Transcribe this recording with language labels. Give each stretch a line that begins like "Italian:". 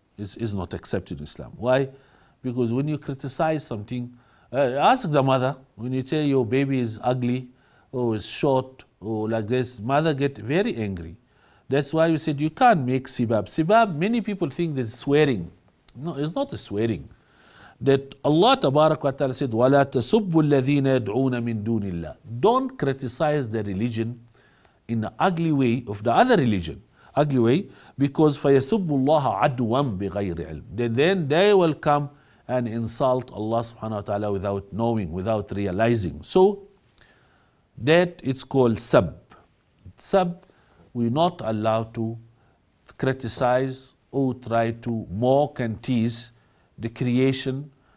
English: Is not accepted in Islam. Why? Because when you criticize something, ask the mother, when you tell your baby is ugly or is short or like this, mother get very angry. That's why we said you can't make sibab. Sibab, many people think that it's swearing. No, it's not a swearing. That Allah tabarak wa ta'ala said,
Arabic: وَلَا تَسُبُّ الَّذِينَ يَدْعُونَ مِن دُونِ اللَّهِ.
English: Don't criticize the religion in the ugly way of the other religion. Ugly way, because
Arabic: فَيَسُبُّ اللَّهَ عَدْوًا بِغَيْرِ عِلْمٍ.
English: Then they will come and insult Allah subhanahu wa ta'ala without knowing, without realizing. So that it's called sab. Sab, we're not allowed to criticize or try to mock and tease the creation